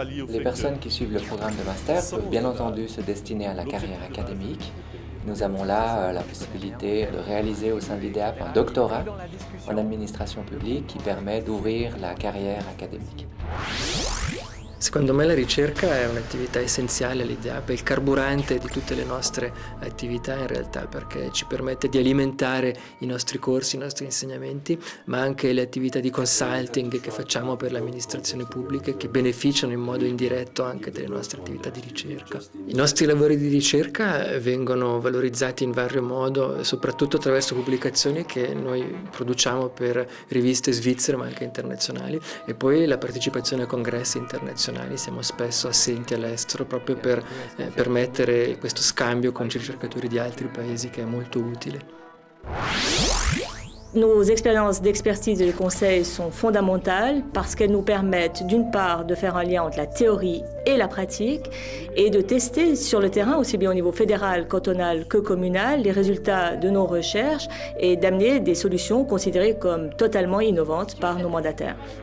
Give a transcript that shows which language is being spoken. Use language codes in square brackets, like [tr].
[fr] Les personnes qui suivent le programme de master peuvent bien entendu se destiner à la carrière académique. Nous avons là la possibilité de réaliser au sein de l'IDEAP un doctorat en administration publique qui permet d'ouvrir la carrière académique. [it] Secondo me la ricerca è un'attività essenziale all'IDEAP, è il carburante di tutte le nostre attività in realtà, perché ci permette di alimentare i nostri corsi, i nostri insegnamenti, ma anche le attività di consulting che facciamo per l'amministrazione pubblica che beneficiano in modo indiretto anche delle nostre attività di ricerca. I nostri lavori di ricerca vengono valorizzati in vario modo, soprattutto attraverso pubblicazioni che noi produciamo per riviste svizzere ma anche internazionali e poi la partecipazione a congressi internazionali. Siamo spesso assenti all'estero proprio per permettere questo scambio con ricercatori di altri paesi che è molto utile. [fr] Nos expériences d'expertise et de conseil sont fondamentales parce qu'elles nous permettent d'une part de faire un lien entre la théorie et la pratique et de tester sur le terrain, aussi bien au niveau fédéral, cantonal que communal, les résultats de nos recherches et d'amener des solutions considérées comme totalement innovantes par nos mandataires.